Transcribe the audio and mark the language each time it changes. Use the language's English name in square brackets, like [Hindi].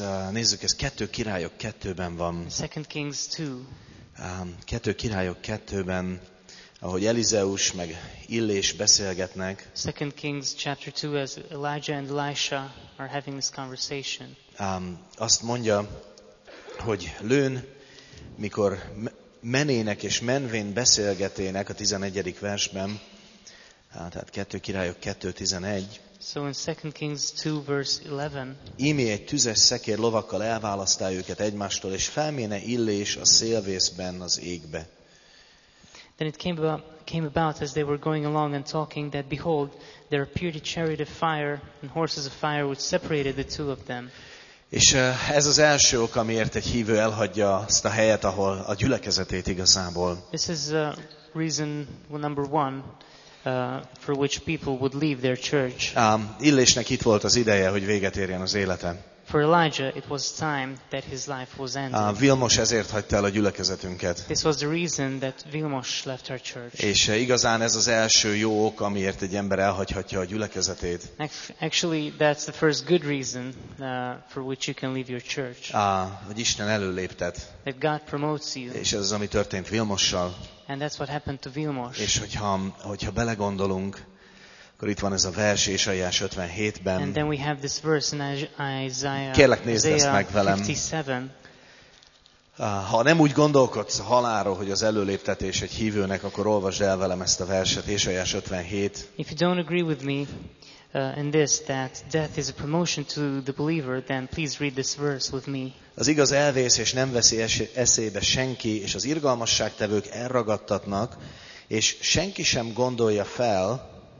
[Hungarian] Nézzük, ez 2 Királyok 2-ben van. [English] 2 Kings 2. [Hungarian] 2 Királyok 2-ben, ahogy Elizeus meg Illés beszélgetnek. [English] 2 Kings chapter 2, as Elijah and Elisha are having this conversation. [Hungarian] Azt mondja, hogy lőn, mikor menének és menvén beszélgetének a 11. versben, tehát 2 Királyok 2:11. [English] So in 2 Kings 2 verse 11. [Hungarian] Ímé egy tüzes szekér lovakkal elválasztá őket egymástól, és felméne Illés a szélvészben az égbe. [English] Then it came about as they were going along and talking that behold there appeared a chariot of fire and horses of fire which separated the two of them. [Hungarian] És ez az első ok, amiért egy hívő elhagyja azt a helyet, ahol a gyülekezetét igazából. [English] This is reason number one. For which people would leave their church. [Hungarian] Illésnek itt volt az ideje, hogy véget érjen az élete. [English] For Elijah, it was time that his life was ended. [Hungarian] Vilmos ezért hagyta el a gyülekezetünket. [English] This was the reason that Vilmos left our church. [Hungarian] És igazán ez az első jó ok, amiért egy ember elhagyhatja a gyülekezetét. [English] Actually, that's the first good reason for which you can leave your church. [Hungarian] Hogy Isten előléptet. [English] That God promotes you. [Hungarian] És ez az, ami történt Vilmossal. [English] And that's what happened to Vilmos. [Hungarian] És hogyha belegondolunk, akkor itt van ez a vers Ésaiás 57-ben. [English] And then we have this verse in Isaiah. [Hungarian] Kérlek, nézd ezt meg velem. [English] 57. [Hungarian] Ha nem úgy gondolkodsz haláról, hogy az előléptetés egy hívőnek, akkor olvasd el velem ezt a verset, Ésaiás 57. [English] If you don't agree with me in this, that death is a promotion to the believer, then please read this verse with me. [Hungarian] Az igaz elvész, és nem veszi eszébe senki, és az irgalmasságtevők elragadtatnak, és senki sem gondolja fel.